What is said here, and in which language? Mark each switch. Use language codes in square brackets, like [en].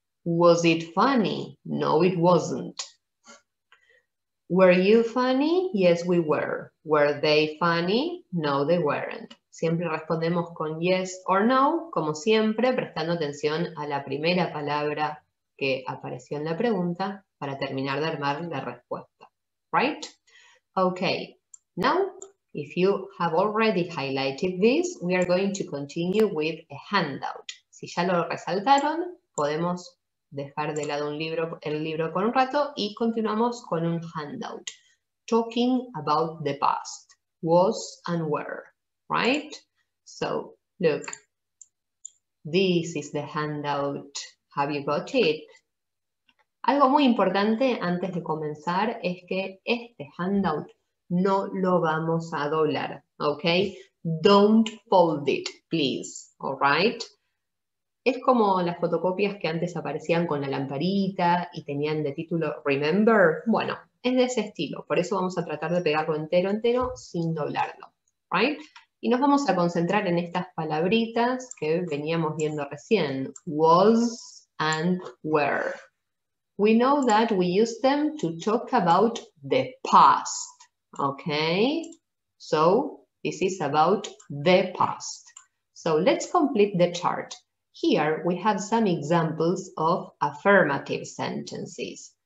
[en] Was it funny? No, it wasn't. Were you funny? Yes, we were. Were they funny? No, they weren't. [es] Siempre respondemos con [en] yes or no, [es] como siempre, prestando atención a la primera palabra que apareció en la pregunta para terminar de armar la respuesta. [en] Right? Okay. Now, if you have already highlighted this, we are going to continue with a handout. [es] Si ya lo resaltaron, podemos dejar de lado un libro, el libro por un rato y continuamos con un handout. [en] Talking about the past, was and were, right? So, look, this is the handout. Have you got it? [es] Algo muy importante antes de comenzar es que este handout no lo vamos a doblar, ¿ok? [en] Don't fold it, please, all right? [es] Es como las fotocopias que antes aparecían con la lamparita y tenían de título Remember. Bueno, es de ese estilo. Por eso vamos a tratar de pegarlo entero, entero, sin doblarlo. [en] Right? [es] Y nos vamos a concentrar en estas palabritas que veníamos viendo recién. [en] Was and were. We know that we use them to talk about the past. Okay? So, this is about the past. So, let's complete the chart. Here we have some examples of affirmative sentences.